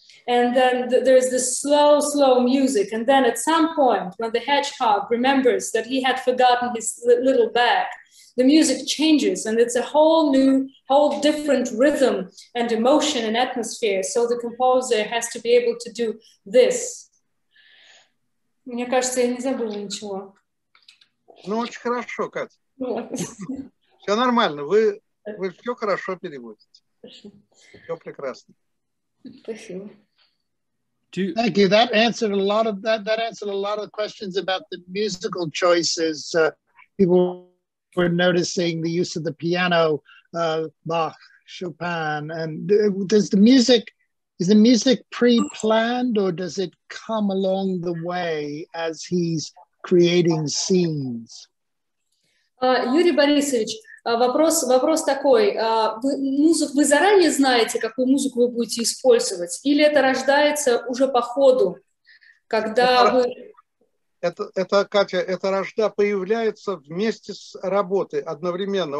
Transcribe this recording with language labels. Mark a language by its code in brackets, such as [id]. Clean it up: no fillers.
[en] And then there's this slow, slow music. And then at some point, when the hedgehog remembers that he had forgotten his little bag, the music changes and it's a whole new, whole different rhythm and emotion and atmosphere. So the composer has to be able to do this. [ru] Мне кажется, я не забыла ничего. Ну, очень хорошо, Катя. Все нормально, вы все хорошо переводите. Все прекрасно. Спасибо. [en] Thank you. That answered a lot of that answered a lot of questions about the musical choices. People were noticing the use of the piano, Bach, Chopin, and is the music pre-planned or does it come along the way as he's creating scenes? Yuri Borisovich. [ru] Вопрос такой, вы заранее знаете, какую музыку вы будете использовать, или это рождается уже по ходу, когда Появляется вместе с работой одновременно.